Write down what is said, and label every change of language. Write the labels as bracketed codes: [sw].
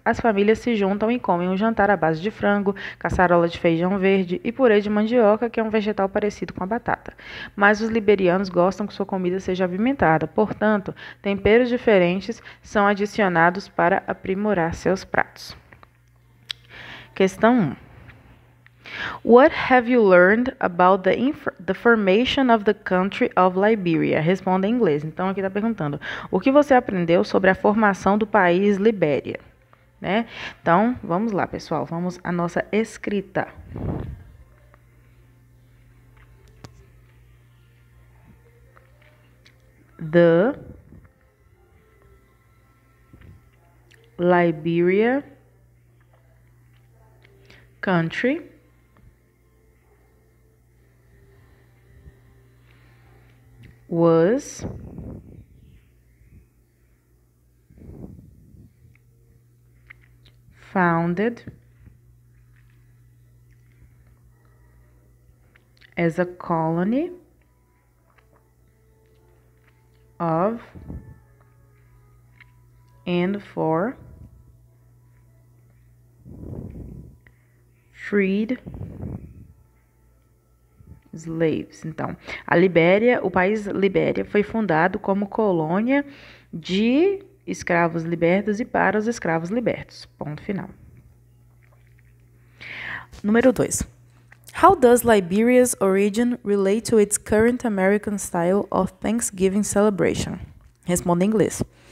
[pt] As famílias se juntam e comem um jantar à base de frango, caçarola de feijão verde e purê de mandioca, que é um vegetal parecido com a batata. Mas os liberianos gostam que sua comida seja apimentada, portanto, temperos diferentes são adicionados para aprimorar seus pratos. Questão 1. [en] What have you learned about the formation of the country of Liberia? [pt] Responda em inglês. Então, aqui está perguntando: o que você aprendeu sobre a formação do país Libéria? Né? Então, vamos lá, pessoal. Vamos à nossa escrita. [en] The Liberia country. Was founded as a colony of and for freed slaves. [pt] Então, a Libéria, o país Libéria foi fundado como colônia de escravos libertos e para os escravos libertos. Ponto final. Número 2. [en] How does Liberia's origin relate to its current American style of Thanksgiving celebration? [pt] Responda em inglês.